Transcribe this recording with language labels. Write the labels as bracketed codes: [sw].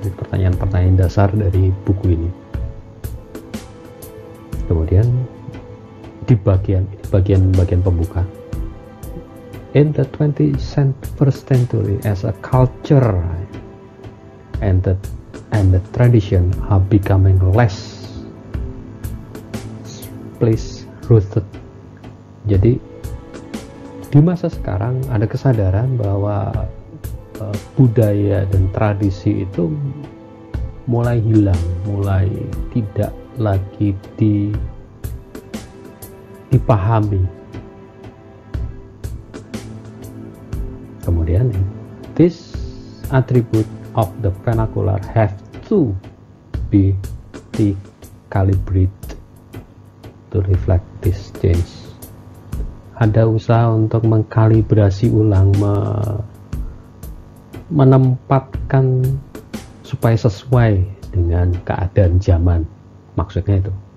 [id] Ini pertanyaan-pertanyaan dasar dari buku ini. Kemudian di bagian pembuka, [en] in the 21st century as a culture and the tradition are becoming less place rooted. [id] Jadi di masa sekarang ada kesadaran bahwa budaya dan tradisi itu mulai hilang, mulai tidak lagi dipahami. Kemudian [en] this attribute of the vernacular have to be recalibrated to reflect this change. [id] Ada usaha untuk mengkalibrasi ulang, menempatkan supaya sesuai dengan keadaan zaman, maksudnya itu.